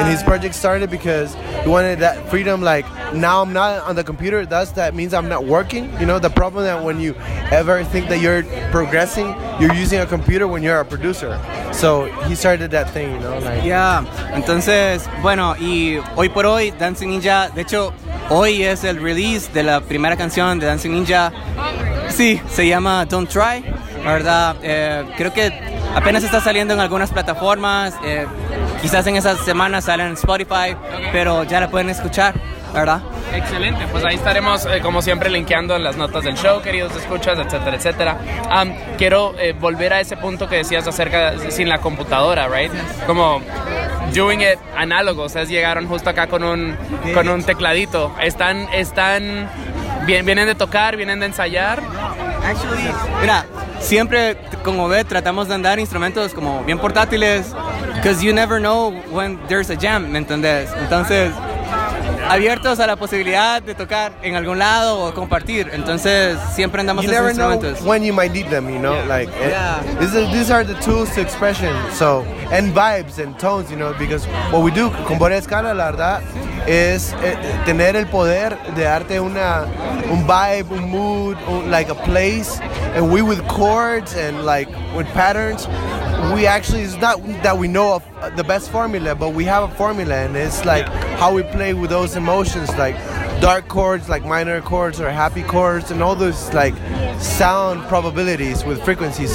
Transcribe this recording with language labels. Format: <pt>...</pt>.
<en>And his project started because he wanted that freedom, like, now I'm not on the computer, thus that means I'm not working. You know, the problem that when you ever think that you're progressing, you're using a computer when you're a producer. So he started that thing, you know? Like, yeah.</en> <es>Entonces, bueno, y hoy por hoy, Dancing Ninja... De hecho, hoy es el release de la primera canción de Dancing Ninja... Sí, se llama Don't Try, ¿verdad? Creo que apenas está saliendo en algunas plataformas, quizás en esas semanas sale en Spotify, okay. Pero ya la pueden escuchar, ¿verdad? Excelente, pues ahí estaremos como siempre linkeando las notas del show, queridos escuchas, etcétera, etcétera. Quiero volver a ese punto que decías acerca de sin la computadora,</es> <en>¿right?</en> <es>Como</es> <en>doing it</en> <es>análogo, o sea, llegaron justo acá con un tecladito. Están... ¿Vienen de tocar? ¿Vienen de ensayar? Mira, siempre, como ve, tratamos de andar instrumentos como bien portátiles.</es> <en>Because you never know when there's a jam,</en> <es>¿me entendés? Entonces, abiertos a la posibilidad de tocar en algún lado o compartir. Entonces, siempre andamos en instrumentos.</es> <en>You never know when you might need them, you know? Like, these are the tools to expression. So, and vibes and tones, you know? Because what we do con Borea Escala,</en> <es>la verdad... es tener el poder de darte un</es> <en>vibe, un mood, like a place, and we with chords and like with patterns, we actually, it's not that we know of the best formula, but we have a formula, and it's like how we play with those emotions, like dark chords, like minor chords or happy chords, and all those like sound probabilities with frequency.</en>